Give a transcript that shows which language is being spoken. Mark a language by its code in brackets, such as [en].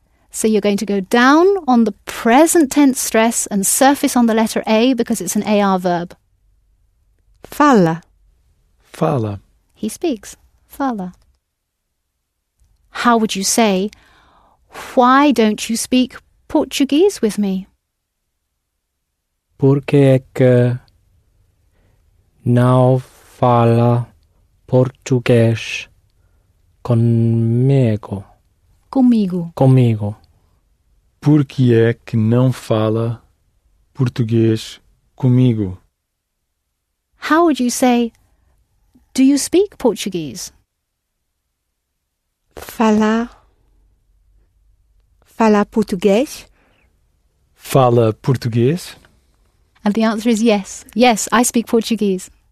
[en] So you're going to go down on the present tense stress and surface on the letter A because it's an AR verb. [pt] Fala. Fala. [en] He speaks. Fala. How would you say, why don't you speak Portuguese with me? [pt] Porque é que não fala português comigo. Comigo. Comigo. Por que é que não fala português comigo? [en] How would you say, do you speak Portuguese? [pt] Fala português? Fala português? [en] And the answer is yes. Yes, I speak Portuguese.